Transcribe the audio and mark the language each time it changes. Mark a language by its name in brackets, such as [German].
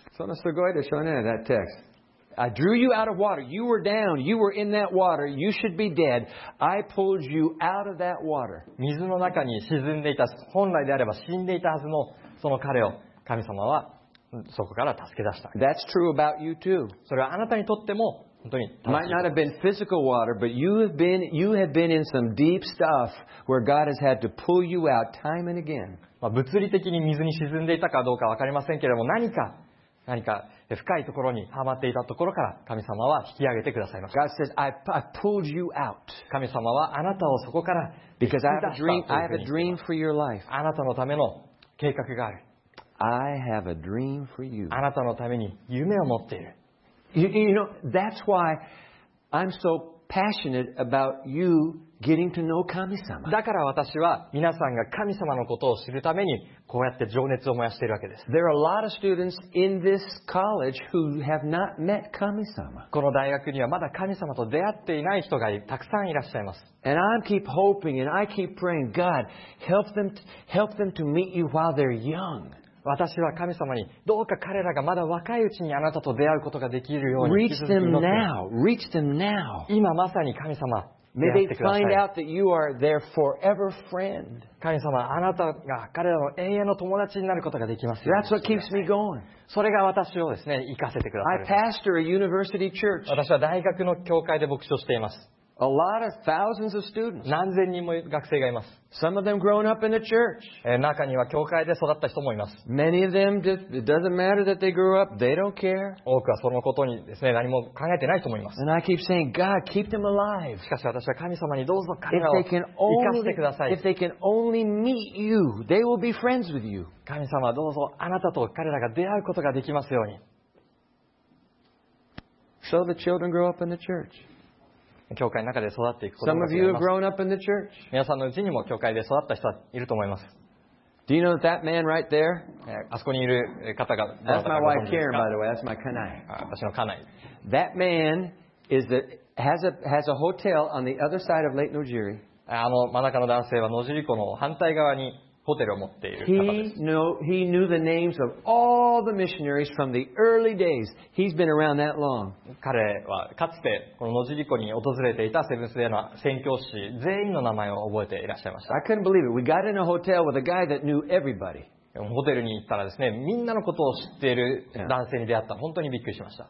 [Japanese] そのすごいでしょうね、 [English] that text. I drew you out of water. You were down. You were in that water. You should be dead. I pulled you out of that water. [Japanese] 水の中に沈んでいた、本来であれば死んでいたはずのその彼を神様はそこから助け出した。 [English] That's true about you too. [Japanese] それはあなたにとっても本当に正しい。 [English] Might not have been physical water, but you have been in some deep stuff where God has had to pull you out time and again. [Japanese] 物理的に水に沈んでいたかどうか分かりませんけれども、何か深いところにはまっていたところから神様は引き上げてくださいました。 [English] God says, I pulled you out. [Japanese] 神様はあなたをそこから引き出したというふうに。 [English] Because I have a dream for your life. [Japanese] あなたのための計画がある。 [English] I have a dream for you. [Japanese] あなたのために夢を持っている。 [English] You know, that's why I'm so passionate about you getting to know 神様。 [Japanese] だから私は皆さんが神様のことを知るためにこうやって情熱を燃やしているわけです。 [English] There are a lot of students in this college who have not met 神様。 [Japanese] この大学にはまだ神様と出会っていない人がたくさんいらっしゃいます。 [English] And I keep hoping and I keep praying, God, help them to meet you while they're young. [Japanese] 私は神様にどうか彼らがまだ若いうちにあなたと出会うことができるように祈っています。 [English] Reach them now. [Japanese] 今まさに神様、 [English] May they find out that you are their forever friend. [Japanese] 神様、あなたが彼らの永遠の友達になることができますように。 [English] That's what keeps me going. [Japanese] それが私をですね、生かせてください。 [English] I pastor a university church. [Japanese] 私は大学の教会で牧師をしています。 [English] A lot of thousands of students. [Japanese] 何千人も学生がいます。 [English] Some of them grown up in the church. [Japanese] 中には教会で育った人もいます。 [English] Many of them just, it doesn't matter that they grew up, they don't care. [Japanese] 多くはそのことにですね、何も考えてない人もいます。 [English] And I keep saying, God, keep them alive. [Japanese] しかし私は神様にどうぞ彼らを生かしてください。 [English] If they can only meet you, they will be friends with you. [Japanese] 神様どうぞあなたと彼らが出会うことができますように。 [English] So the children grow up in the church. [Japanese] 教会の中で育っていくことが多いです。皆さんのうちにも教会で育った人はいると思います。 [English] Do you know that man right there? [Japanese] あそこにいる方が [English] That's my wife Karen, by the way. That's my Kanai. [Japanese] 私の Kanai. [English] That man is the, has a hotel on the other side of Lake Nojiri. [Japanese] あの真ん中の男性は野尻湖の反対側にホテルを持っている方です。 [English] He knew the names of all the missionaries from the early days. He's been around that long. [Japanese] 彼はかつてこの野尻湖に訪れていたセブンスデーの宣教師全員の名前を覚えていらっしゃいました。 [English] I couldn't believe it. We got in a hotel with a guy that knew everybody. [Japanese] ホテルに行ったらですね、みんなのことを知っている男性に出会った。本当にびっくりしました。